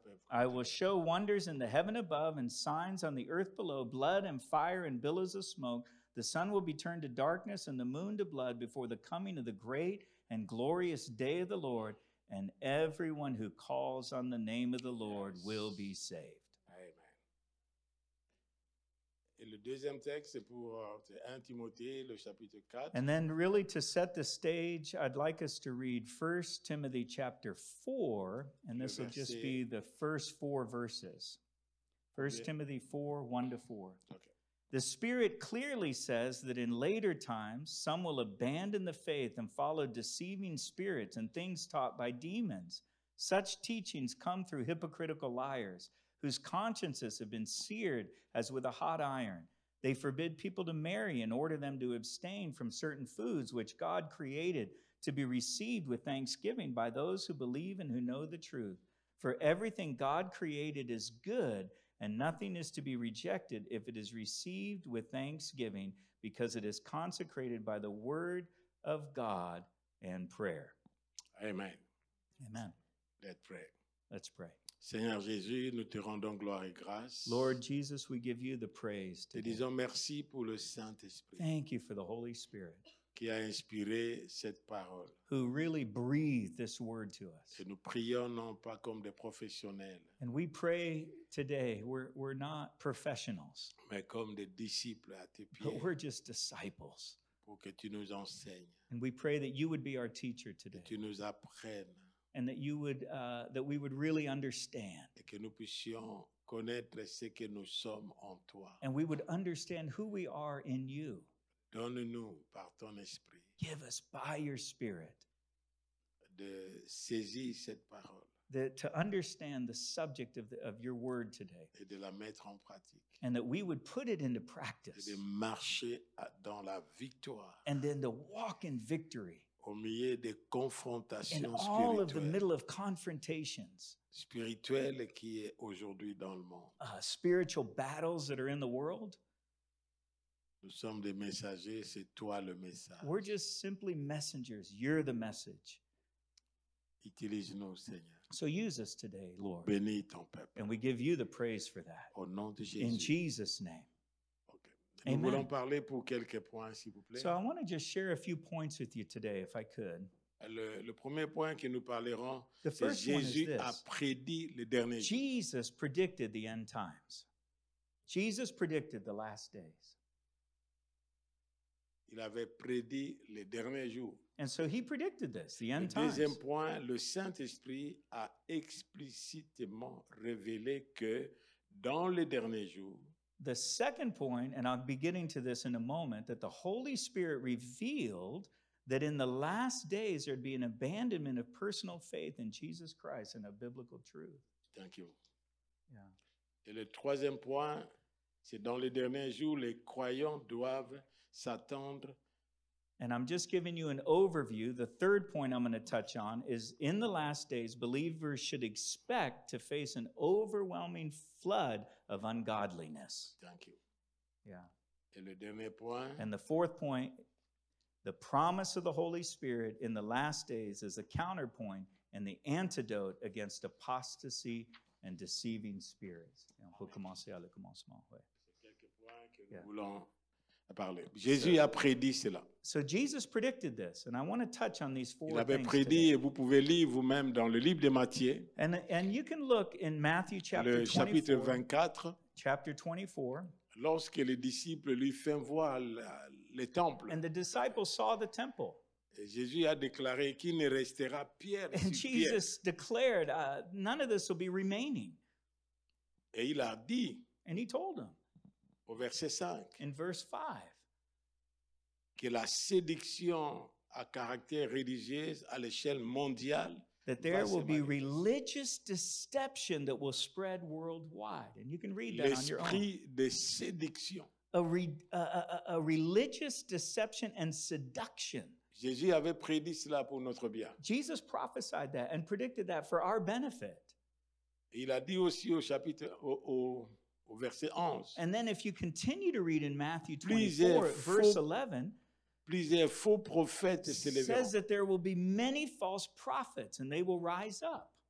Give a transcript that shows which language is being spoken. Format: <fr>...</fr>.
<en>I will show wonders in the heaven above and signs on the earth below, blood and fire and billows of smoke. The sun will be turned to darkness and the moon to blood before the coming of the great and glorious day of the Lord, and everyone who calls on the name of the Lord yes. will be saved. Amen.</en> <fr>Et le deuxième texte c'est pour 1 Timothée le chapitre 4.</fr> <en>And then really to set the stage, I'd like us to read 1 Timothy chapter 4, and this will just be the first four verses. 1 Timothy 4, 1 to 4. Okay. The Spirit clearly says that in later times, some will abandon the faith and follow deceiving spirits and things taught by demons. Such teachings come through hypocritical liars whose consciences have been seared as with a hot iron. They forbid people to marry and order them to abstain from certain foods which God created to be received with thanksgiving by those who believe and who know the truth. For everything God created is good, and nothing is to be rejected if it is received with thanksgiving because it is consecrated by the word of God and prayer. Amen. Amen. Let's pray. Let's pray.</en> <fr>Seigneur Jésus, nous te rendons gloire et grâce.</fr> <en>Lord Jesus, we give you the praise today.</en> <fr>Te disons merci pour le Saint-Esprit.</fr> <en>Thank you for the Holy Spirit.</en> <fr>qui a inspiré cette parole.</fr> <en>Who really breathed this word to us.</en> <fr>Et nous prions non pas comme des professionnels.</fr> <en>And we pray today, we're not professionals.</en> <fr>Mais comme des disciples à tes pieds.</fr> <en>But we're just disciples.</en> <fr>Pour que tu nous enseignes.</fr> <en>And we pray that you would be our teacher today.</en> <fr>Que tu nous apprennes.</fr> <en>And that you would, that we would really understand.</en> <fr>Et que nous puissions connaître ce que nous sommes en toi.</fr> <en>And we would understand who we are in you.</en> <fr>Donne-nous par ton esprit.</fr> <en>Give us by your spirit.</en> <fr>De saisir cette parole.</fr> <en>To understand the subject of your word today.</en> <fr>Et de la mettre en pratique.</fr> <en>And that we would put it into practice.</en> <fr>Et de marcher dans la victoire.</fr> <en>And then to walk in victory.</en> <fr>Au milieu des confrontations</fr> <en>in all</en> <fr>spirituelles.</fr> <en>Of the middle of confrontations.</en> <fr>Spirituel qui est aujourd'hui dans le monde.</fr> <en>Spiritual battles that are in the world.</en> <fr>Nous sommes des messagers, c'est toi le message.</fr> <en>We're just simply messengers, you're the message.</en> <fr>Utilise-nous, Seigneur.</fr> <en>So use us today, Lord.</en> <fr>Bénis ton peuple.</fr> <en>And we give you the praise for that.</en> <fr>Au nom de Jésus.</fr> <en>In Jesus' name. Okay. Amen.</en> <fr>Nous voulons parler pour quelques points, s'il vous plaît.</fr> <en>So I want to just share a few points with you today, if I could.</en> <fr>Le premier point que nous parlerons, c'est Jésus a prédit les derniers jours.</fr> <en>Jesus predicted the end times. Jesus predicted the last days.</en> <fr>Il avait prédit les derniers jours.</fr> <en>And so he predicted this, the end times.</en> <fr>Le deuxième point, le Saint-Esprit a explicitement révélé que dans les derniers jours.</fr> <en>The second point, and I'll be getting to this in a moment, that the Holy Spirit revealed that in the last days there'd be an abandonment of personal faith in Jesus Christ and of biblical truth. Thank you. Yeah.</en> <fr>Et le troisième point, c'est dans les derniers jours, les croyants doivent s'attendre.</fr> <en>And I'm just giving you an overview. The third point I'm going to touch on is in the last days, believers should expect to face an overwhelming flood of ungodliness. Thank you. Yeah.</en> <fr>Et le dernier point.</fr> <en>And the fourth point, the promise of the Holy Spirit in the last days is a counterpoint and the antidote against apostasy and deceiving spirits.</en> <fr>On peut commencer à le commencement. C'est quelques points que nous voulons parler. Jésus a prédit cela.</fr> <en>So Jesus predicted this, and I want to touch on these four things.</en> <fr>Il avait prédit, et vous pouvez lire vous-même dans le livre de Matthieu.</fr> <en>And you can look in Matthew chapter 24.</en> <fr>Le chapitre 24.</fr> <en>Chapter 24.</en> <fr>Lorsque les disciples lui font voir le temple.</fr> <en>And the disciples saw the temple.</en> <fr>Et Jésus a déclaré qu'il ne restera pierre sur pierre.</fr> <en>And Jesus declared, none of this will be remaining.</en> <fr>Et il a dit.</fr> <en>And he told them.</en> <fr>Au verset 5.</fr> <en>In verse 5.</en> <fr>Que la séduction à caractère religieux à l'échelle mondiale.</fr> <en>That there will be religious deception that will spread worldwide. And you can read that</en> <fr>L'esprit</fr> <en>on your own.</en> <fr>L'esprit de séduction.</fr> <en>A religious deception and seduction.</en> <fr>Jésus avait prédit cela pour notre bien.</fr> <en>Jesus prophesied that and predicted that for our benefit.</en> <fr>Il a dit aussi au chapitre, au verset 11.</fr> <en>And then if you continue to read in Matthew 24, verse 11.</en> <fr>Plusieurs faux prophètes se lèveront.</fr> <en>Says that there will be many false prophets and they will rise up.</en>